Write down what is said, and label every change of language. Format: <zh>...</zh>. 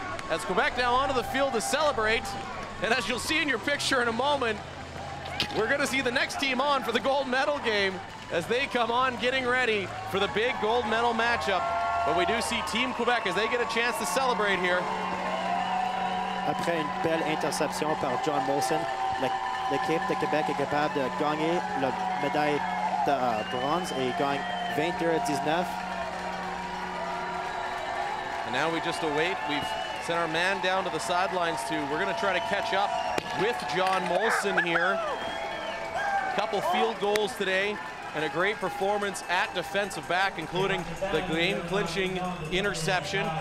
<en>As Quebec now onto the field to celebrate. And as you'll see in your picture in a moment, we're gonna see the next team on for the gold medal game as they come on getting ready for the big gold medal matchup. But we do see Team Quebec as they get a chance to celebrate here.</en> <fr>Après une belle interception par John Molson, l'équipe de Québec est capable de gagner la médaille de bronze et gagne 22-19.</fr> <en>And now we just await. We've sent our man down to the sidelines too. We're gonna try to catch up with John Molson here. A couple field goals today and a great performance at defensive back, including the game-clinching interception.</en>